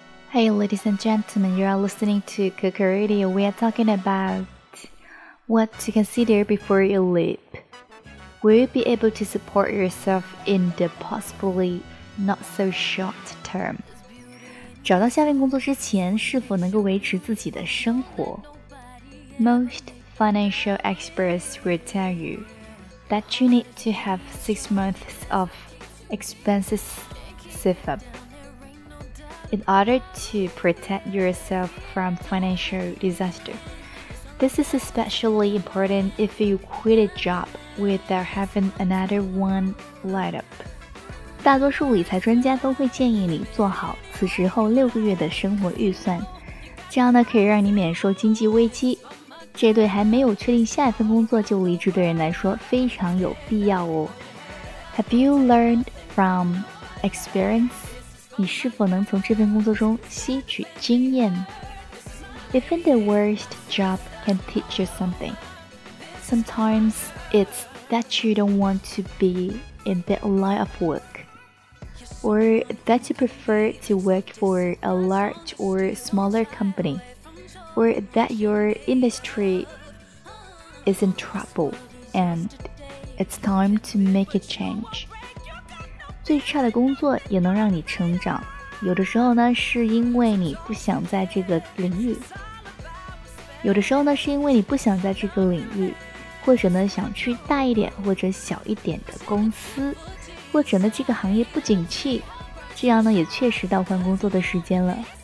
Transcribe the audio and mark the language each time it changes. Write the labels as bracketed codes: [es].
[en] Hey, ladies and gentlemen, you are listening to Cooker Radio. We are talking about what to consider before you leap. Will you be able to support yourself in the possibly not so short term? [zh] 找到下份工作之前，是否能够维持自己的生活？ [en] Most financial experts will tell you that you need to have 6 months of expenses saved up. In order to protect yourself from financial disaster. This is especially important if you quit a job without having another one lined up. [zh] 大多数理财专家都会建议你做好辞职后6个月的生活预算，这样呢可以让你免受经济危机。这对还没有确定下一份工作就离职的人来说非常有必要哦。 [en] Have you learned from experience? [zh] 你是否能从这份工作中吸取经验？ [en] Even the worst job can teach you something. Sometimes it's that you don't want to be in that line of work, or that you prefer to work for a large or smaller company, or that your industry is in trouble and it's time to make a change. [zh] 最差的工作也能让你成长，有的时候呢是因为你不想在这个领域，有的时候呢是因为你不想在这个领域，或者呢想去大一点或者小一点的公司，或者呢这个行业不景气，这样呢也确实到换工作的时间了。